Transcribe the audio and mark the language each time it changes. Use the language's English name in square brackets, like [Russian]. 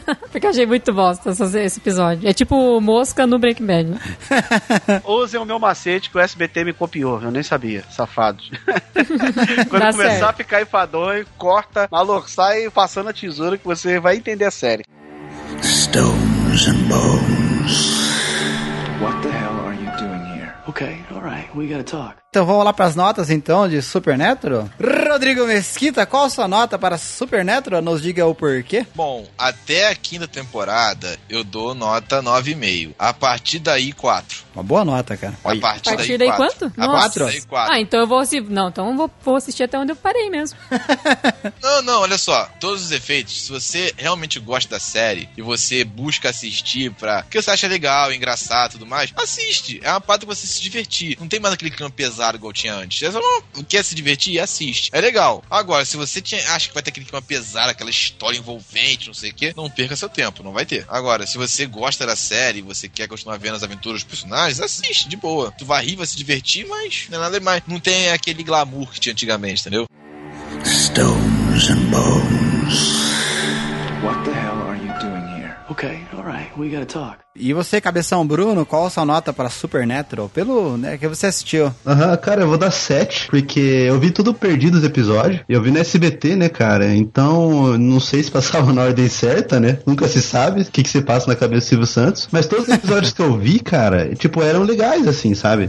[Portuguese] Porque eu achei muito bosta esse episódio. É tipo mosca no Breaking Bad. Usem o meu macete que o SBT me copiou. Eu nem sabia. Safados. Quando começar sério. A ficar enfadonho, corta. Maluco, sai passando a tesoura que você vai entender a série. [English] Stones and bones. What the hell are you doing here? Okay, alright, we gotta talk. [Portuguese] Então vamos lá pras notas, então, de Supernatural. Rodrigo Mesquita, qual sua nota para Supernatural? Nos diga o porquê. Bom, até a quinta temporada, eu dou nota 9,5. A partir daí, 4. Uma boa nota, cara. A partir daí, 4. Quanto? 4? Ah, então eu vou assistir... Não, então eu vou assistir até onde eu parei mesmo. Não, olha só. Todos os efeitos, se você realmente gosta da série e você busca assistir pra... que você acha legal, engraçado e tudo mais, assiste. É uma parte pra você se divertir. Não tem mais aquele campeão pesado igual tinha antes. Você não quer se divertir? Assiste. É legal. Agora, se você acha que vai ter aquele clima pesado, aquela história envolvente, não sei o quê, não perca seu tempo. Não vai ter. Agora, se você gosta da série e você quer continuar vendo as aventuras dos personagens, assiste, de boa. Tu vai rir, vai se divertir, mas não é nada demais. Não tem aquele glamour que tinha antigamente, entendeu? [English] Stones and bones. What the hell are you doing here? Okay, alright, we gotta talk. [Portuguese] E você, Cabeção Bruno, qual a sua nota para Supernatural? Pelo, né, que você assistiu. Aham, cara, eu vou dar 7, porque eu vi tudo perdido os episódios. Eu vi no SBT, né, cara? Então, não sei se passava na ordem certa, né? Nunca se sabe o que que se passa na cabeça do Silvio Santos. Mas todos os episódios que eu vi, cara, tipo, eram legais, assim, sabe?